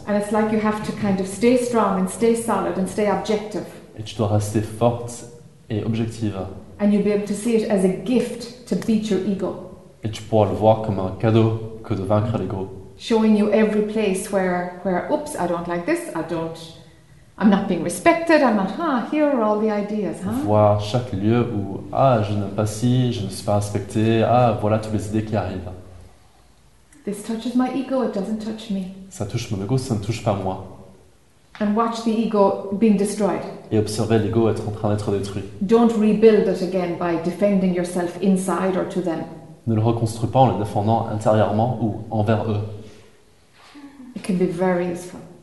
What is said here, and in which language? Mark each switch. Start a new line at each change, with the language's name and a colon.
English: And it's like you have to kind of stay strong and stay solid and stay objective.
French: Et tu dois rester forte et objective.
English: And you'll be able to see it as a gift to beat your ego.
French: Et tu pourras le voir comme un cadeau que de vaincre l'ego.
English: Showing you every place where oops, I don't like this, I'm not being respected, I'm not, huh, here are all the ideas, huh?
French: Voir chaque lieu où, ah, je n'aime pas ci, je ne suis pas respecté, ah, voilà toutes les idées qui arrivent.
English: This touches my ego, it doesn't touch me.
French: Ça touche mon ego, ça ne touche pas moi.
English: And watch the ego being destroyed.
French: Et observez l'ego être en train d'être détruit.
English: Don't rebuild it again by defending yourself inside or to them.
French: Ne le reconstruis pas en le défendant intérieurement ou envers eux.
English: It can be very useful.